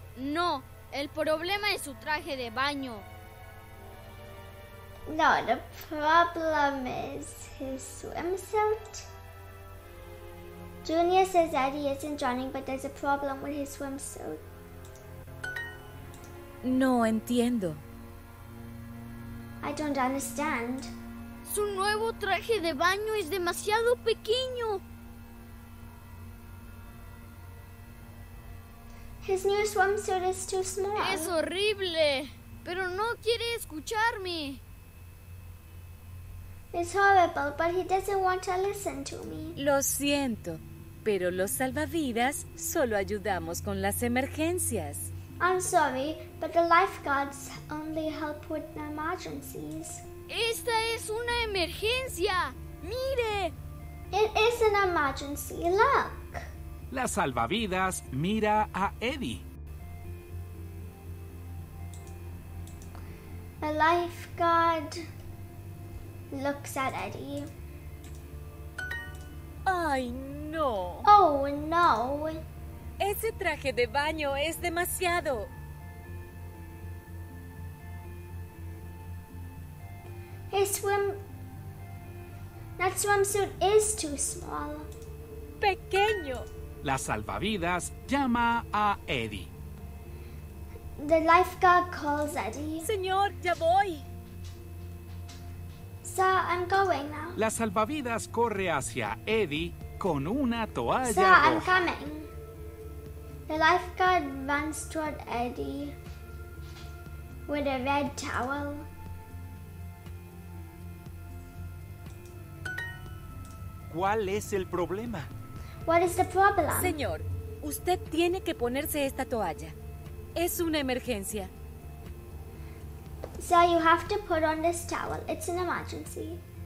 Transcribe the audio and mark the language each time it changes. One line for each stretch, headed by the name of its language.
Spanish: No, el problema es su traje de baño.
English: No, the problem is his swimsuit. Junior says Eddie isn't drowning, but there's a problem with his swimsuit.
Spanish: No entiendo.
English: I don't understand.
Spanish: Su nuevo traje de baño es demasiado pequeño.
English: His new swimsuit is too small.
Spanish: Es horrible, pero no quiere escucharme.
English: It's horrible, but he doesn't want to listen to me.
Spanish: Lo siento, pero los salvavidas solo ayudamos con las emergencias.
English: I'm sorry, but the lifeguards only help with emergencies.
Spanish: ¡Esta es una emergencia! ¡Mire!
English: It is an emergency. Look!
Spanish: La salvavidas mira a Eddie.
English: A lifeguard looks at Eddie.
Spanish: ¡Ay, no! ¡Oh, no! ¡Ese traje de baño es demasiado!
English: That swimsuit is too small.
Spanish: ¡Pequeño! La salvavidas llama a Eddie.
English: The lifeguard calls Eddie.
Spanish: ¡Señor, ya voy!
English: Sir, I'm going now.
Spanish: La salvavidas corre hacia Eddie con una toalla
English: Sir,
Spanish: roja.
English: I'm coming. The lifeguard runs toward Eddie with a red towel.
Spanish: ¿Cuál es el problema?
English: What is the problem?
Spanish: Señor, usted tiene que ponerse esta toalla. Es una emergencia.
English: Sir, you have to put on this towel. It's an emergency.